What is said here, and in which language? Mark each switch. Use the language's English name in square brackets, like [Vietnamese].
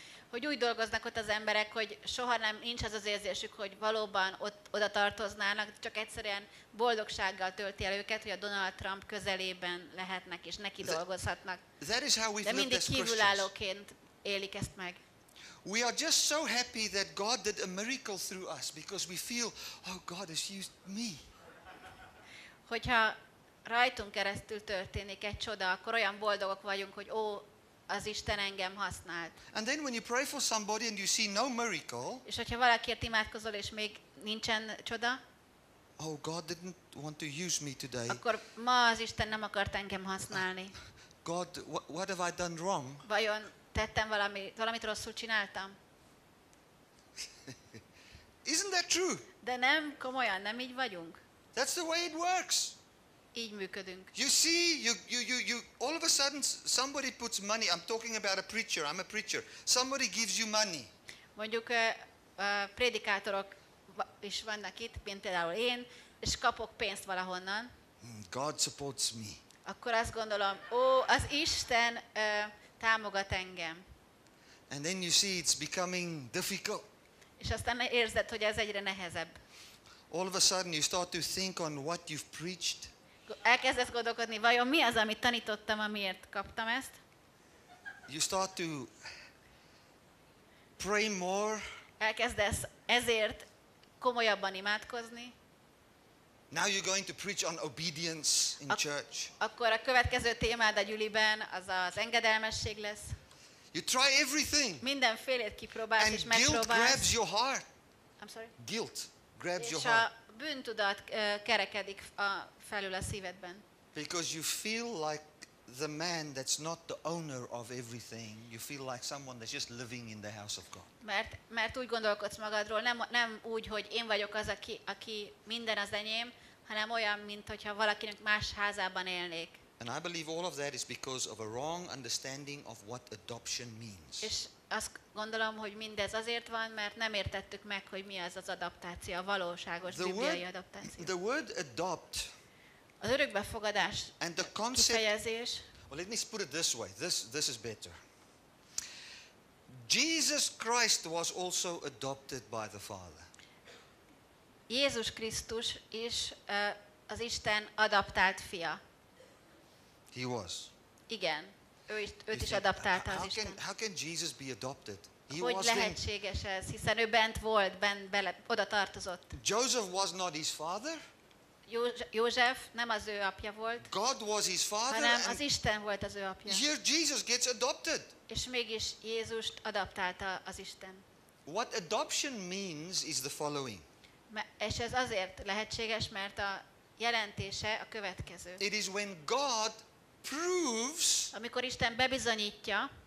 [Hungarian] Hogy úgy dolgoznak ott az emberek, hogy soha nem nincs az az érzésük, hogy valóban ott oda tartoznának, csak egyszerűen boldogsággal tölti el őket, hogy a Donald Trump közelében lehetnek és neki dolgozhatnak. De mindig kívülállóként élik ezt meg. [English] We are just so happy that God did a miracle through us because we feel, oh God has used me. [Hungarian] Hogyha rajtunk keresztül történik egy csoda, akkor olyan boldogok vagyunk, hogy ó, az Isten engem használt. [English] And then when you pray for somebody and you see no miracle. [Hungarian] És hogyha valakiért imádkozol és még nincsen csoda. [English] Oh God didn't want to use me today. [Hungarian] Akkor ma az Isten nem akart engem használni. [English] God, what have I done wrong? [Hungarian] Vajon tettem valamit rosszul csináltam? [English] Isn't that true? [Hungarian] De nem komolyan, nem így vagyunk. [English] That's the way it works. [Hungarian] Így működünk. [English] You see, you all of a sudden somebody puts money. I'm talking about a preacher. I'm a preacher. Somebody gives you money. [Hungarian] Mondjuk prédikátorok is vannak itt, mint például én, és kapok pénzt valahonnan. [English] God supports me. [Hungarian] Akkor azt gondolom, ó, az Isten támogat engem. [English] And then you see it's becoming difficult. [Hungarian] És aztán érzed, hogy ez egyre nehezebb. [English] All of a sudden you start to think on what you've preached. [Hungarian] Elkezdesz gondolkodni, vajon mi az, amit tanítottam, amiért kaptam ezt? [English] You start to pray more. [Hungarian] Elkezdesz ezért komolyabban imádkozni. [English] Now you're going to preach on obedience in church. [Hungarian] Akkor a következő témád a gyüliben az az engedelmesség lesz. [English] You try everything. [Hungarian] Mindenfélét kipróbálsz [English] and [Hungarian] és megpróbálsz. [English] Guilt grabs your heart. I'm sorry. Guilt grabs your [Hungarian] és [English] heart. [Hungarian] A bűntudat kerekedik felül a szívedben. [English] Because you feel like the man that's not the owner of everything, you feel like someone that's just living in the house of God. [Hungarian] Mert úgy gondolkodsz magadról, nem úgy, hogy én vagyok az, aki minden az enyém, hanem olyan, mint hogyha valakinek más házában élnék. [English] And I believe all of that is because of a wrong understanding of what adoption means. [Hungarian] És azt gondolom, hogy mindez azért van, mert nem értettük meg, hogy mi az az adaptáció, a valóságos bibliai adaptáció. [English] The word adopt. [Hungarian] Az örökbefogadás. [English] And the concept. [Hungarian] Kifejezés. [English] Well, let me put it this way. This is better. Jesus Christ was also adopted by the Father. [Hungarian] Jézus Krisztus is az Isten adaptált fia. [English] He was. [Hungarian] Igen. Őt is adaptálta az Isten. [English] How can Jesus be adopted? He [Hungarian] hogy [English] was [Hungarian] lehetséges [English] then? [Hungarian] Ez? Hiszen ő bent volt, oda tartozott. [English] Joseph was not his father. [Hungarian] József nem az ő apja volt. [English] God was his father. [Hungarian] Hanem az Isten volt az ő apja. [English] Here Jesus gets adopted. [Hungarian] És mégis Jézust adaptálta az Isten. [English] What adoption means is the following. [Hungarian] És ez azért lehetséges, mert a jelentése a következő. [English] It is when God proves [Hungarian] amikor Isten bebizonyítja